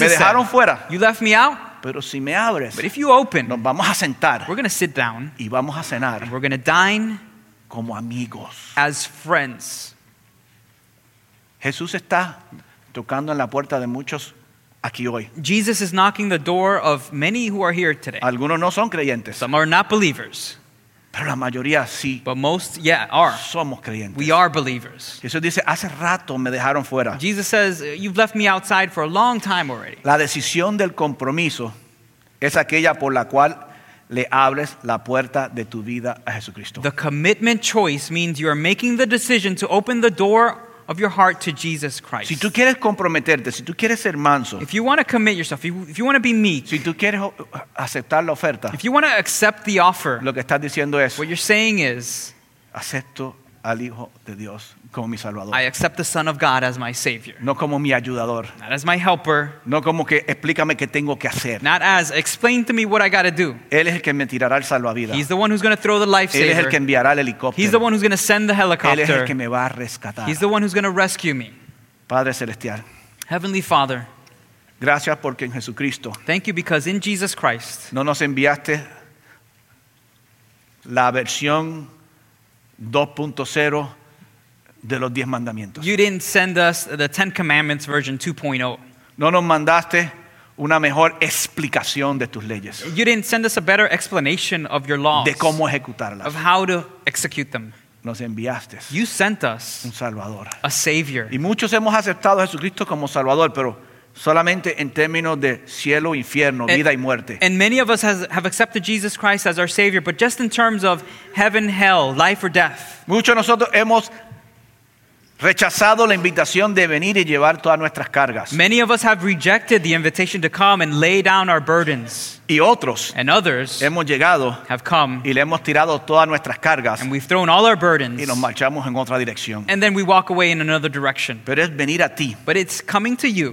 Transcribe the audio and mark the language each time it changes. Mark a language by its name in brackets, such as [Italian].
[Spanish] me dejaron [English] said, [Spanish] fuera. [English] You left me out. [Spanish] Pero si me abres, [English] but if you open, [Spanish] nos vamos a sentar, [English] we're going to sit down [Spanish] y vamos a cenar, [English] and we're going to dine [Spanish] como amigos. [English] As friends. [Spanish] Jesús está tocando en la puerta de muchos aquí hoy. [English] Jesus is knocking the door of many who are here today. [Spanish] Algunos no son creyentes. [English] Some are not believers. [Spanish] Pero la mayoría sí. [English] But most, yeah, are. [Spanish] Somos creyentes. [English] We are believers. [Spanish] Jesús dice, hace rato me dejaron fuera. [English] Jesus says, you've left me outside for a long time already. [Spanish] La decisión del compromiso es aquella por la cual le abres la puerta de tu vida a Jesucristo. [English] The commitment choice means you are making the decision to open the door of your heart to Jesus Christ. [Spanish] Si tú quieres comprometerte, si tú quieres ser manso, [English] if you want to commit yourself, if you want to be meek, [Spanish] si tú quieres aceptar la oferta, [English] if you want to accept the offer, [Spanish] lo que estás diciendo es, [English] what you're saying is, [Spanish] acepto al Hijo de Dios como mi Salvador. [English] I accept the Son of God as my Savior. [Spanish] No como mi ayudador. [English] Not as my helper. [Spanish] No como que explícame qué tengo que hacer. [English] Not as explain to me what I got to do. [Spanish] Él es el que me tirará el salvavidas. [English] He's the one who's going to throw the life saver. [Spanish] Él es el que enviará el helicóptero. [English] He's the one who's going to send the helicopter. [Spanish] Él es el que me va a rescatar. [English] He's the one who's going to rescue me. [Spanish] Padre celestial. [English] Heavenly Father. [Spanish] Gracias porque en Jesucristo. [English] Thank you because in Jesus Christ. [Spanish] No nos enviaste la versión 2.0 de los 10 mandamientos. [English] You didn't send us the 10 commandments version 2.0. [Spanish] No nos mandaste una mejor explicación de tus leyes. [English] You didn't send us a better explanation of your laws. [Spanish] De cómo ejecutarlas. [English] Of how to execute them. [Spanish] Nos enviaste. [English] You sent us [Spanish] un Salvador. [English] A Savior. [Spanish] Y muchos hemos aceptado a Jesucristo como Salvador, pero solamente en términos de cielo, infierno, vida y muerte. [English] And many of us have accepted Jesus Christ as our Savior, but just in terms of heaven, hell, life or death. [Spanish] Muchos de nosotros hemos rechazado la invitación de venir y llevar todas nuestras cargas. [English] Many of us have rejected the invitation to come and lay down our burdens. [Spanish] Y otros, [English] and others, [Spanish] hemos llegado, [English] have come, [Spanish] y le hemos tirado todas nuestras cargas, [English] and we've thrown all our burdens, [Spanish] y nos marchamos en otra dirección. [English] And then we walk away in another direction. [Spanish] Pero es venir a ti. [English] But it's coming to you.